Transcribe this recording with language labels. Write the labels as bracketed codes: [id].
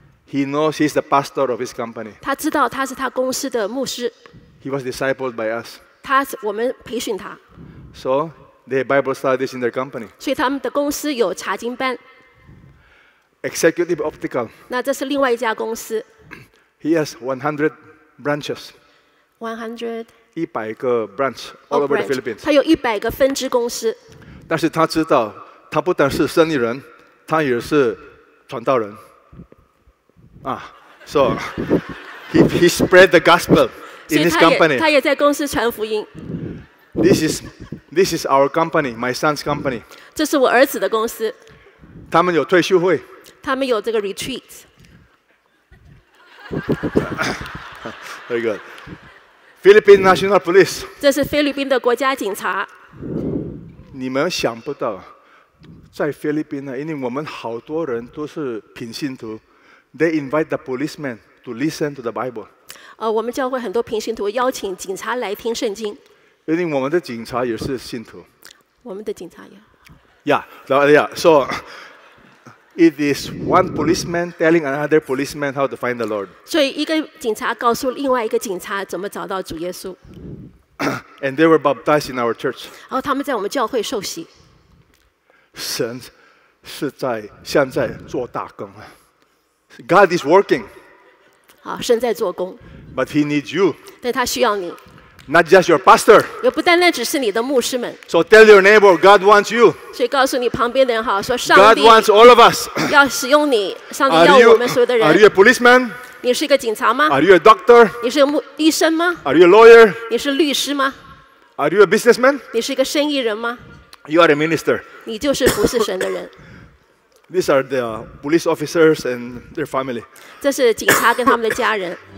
[en] He knows he's the pastor of his company。 [zh] 他知道他是他公司的牧师。 [en] He was discipled by us。 [zh] 他我们培训他 [en] ，so they have Bible studies in their company. [zh] 所以他们的公司有查经班。 [en] Executive Optical. [zh] 那这是另外一家公司。 [en] He has 100 branches. 100 branch all over the Philippines. [zh] 他有100个分支公司。但是他知道，他不但是生意人，他也是传道人。 [en] So he spread the gospel in his company. [zh] 他也在公司传福音。 [en] This is our company, my son's company. [zh] 这是我儿子的公司。他们有退休会。他们有这个 retreat. [en] Very good. Philippine National Police. [zh] 这是菲律宾的国家警察。你们想不到，在菲律宾呢，因为我们好多人都是品信徒。 [en] They invite the policemen to listen to the Bible. [zh] 我们教会很多平信徒邀请警察来听圣经。因为我们的警察也是信徒。我们的警察也。 [en] Yeah. So it is one policeman telling another policeman how to find the Lord. [zh] 所以一个警察告诉另外一个警察怎么找到主耶稣。 [en] And they were baptized in our church. [zh] 然后他们在我们教会受洗。神是在现在做大工啊。 [en] God is working. [zh] 好，神在做工。 [en] But He needs you. [zh] 但他需要你。 [en] Not just your pastor. [zh] 也不单单只是你的牧师们。 [en] So tell your neighbor, God wants you. [zh] 所以告诉你旁边的人好，说上帝。 [en] God wants all of us. [zh] 要使用你，上帝要我们所有的人。 [en] Are you a policeman? [zh] 你是一个警察吗 [en] ？Are you a doctor? [zh] 你是医生吗 [en] ？Are you a lawyer? [zh] 你是律师吗 [en] ？Are you a businessman? [zh] 你是一个生意人吗 [en] ？You are a minister. [zh] 你就是服侍神的人。 [en] These are the police officers and their family. [zh] 这是警察跟他们的家人。